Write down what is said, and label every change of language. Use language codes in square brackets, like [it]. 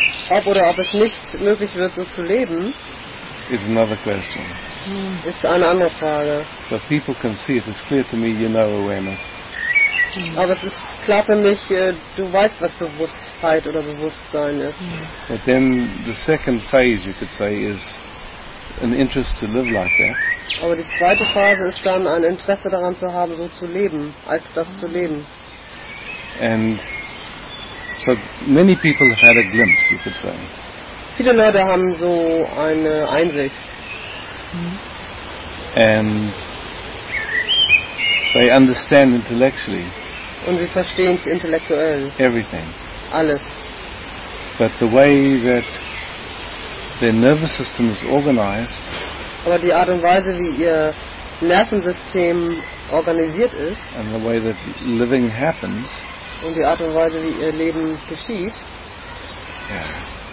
[de] Ob oder ob es nicht möglich wird, so zu leben, [en] is another question. [de] Ist eine andere Frage. [en] But people can see it. It's clear to me, you know awareness. [de] Aber es ist klar für mich, du weißt, was Bewusstheit oder Bewusstsein ist. [en] But then the second phase, you could say, is an interest to live like that. [de] Aber die zweite Phase ist dann, ein Interesse daran zu haben, so zu leben, als das zu leben. [en] And so many people have had a glimpse, you could say. [de] Viele Leute haben so eine Einsicht. [en] And they understand intellectually. [de] Und sie verstehen intellektuell. [en] Everything. [de] Alles. [en] But the way that their nervous system is organized. [de] Aber die Art und Weise, wie ihr Nervensystem organisiert ist. [en] And the way that living happens. [de] Und die Art und Weise, wie ihr Leben geschieht. [en] Yeah.